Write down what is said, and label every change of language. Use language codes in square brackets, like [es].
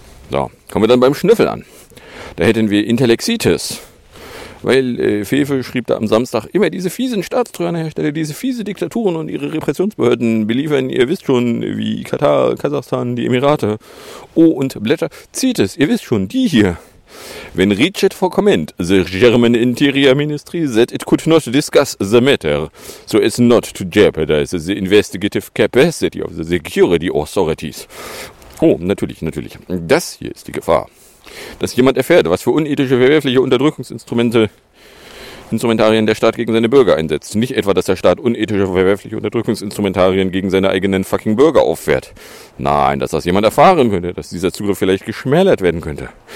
[de] So, kommen wir dann beim Schnüffel an. Da hätten wir Intellexitis, weil Fefe schrieb da am Samstag, immer diese fiesen Staatstrojanerhersteller, diese fiese Diktaturen und ihre Repressionsbehörden beliefern, ihr wisst schon, wie Katar, Kasachstan, die Emirate. Oh, und Blätter, zieht es, ihr wisst schon, die hier. [en] When reached for comment, the German Interior Ministry said it could not discuss the matter, so as not to jeopardize the investigative capacity of the security authorities. [de] Oh, natürlich, natürlich. Das hier ist die Gefahr. Dass jemand erfährt, was für unethische, verwerfliche Unterdrückungsinstrumentarien der Staat gegen seine Bürger einsetzt. Nicht etwa, dass der Staat unethische, verwerfliche Unterdrückungsinstrumentarien gegen seine eigenen fucking Bürger auffährt. Nein, dass das jemand erfahren könnte, dass dieser Zugriff vielleicht geschmälert werden könnte.